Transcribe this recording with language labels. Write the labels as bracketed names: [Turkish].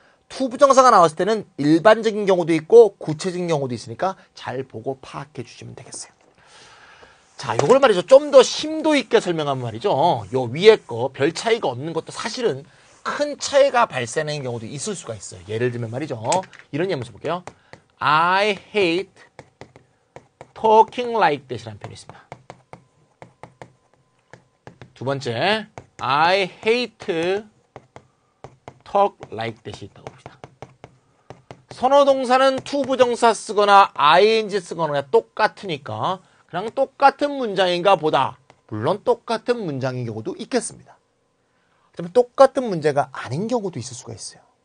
[Korean] 투부정사가 나왔을 때는 일반적인 경우도 있고 구체적인 경우도 있으니까 잘 보고 파악해 주시면 되겠어요. 자, 이걸 말이죠. 좀 더 심도 있게 설명하면 말이죠. 요 위에 거 별 차이가 없는 것도 사실은 큰 차이가 발생하는 경우도 있을 수가 있어요. 예를 들면 말이죠. 이런 예문서 볼게요. [English] I hate talking like this [Korean] 라는 표현이 있습니다. 두 번째, [English] I hate talk like this이 [Korean] 있다고 봅시다. 선호동사는 투부정사 쓰거나 ing 쓰거나 똑같으니까 그냥 똑같은 문장인가 보다. 물론 똑같은 문장인 경우도 있겠습니다. 그러면 똑같은 문제가 아닌 경우도 있을 수가 있어요.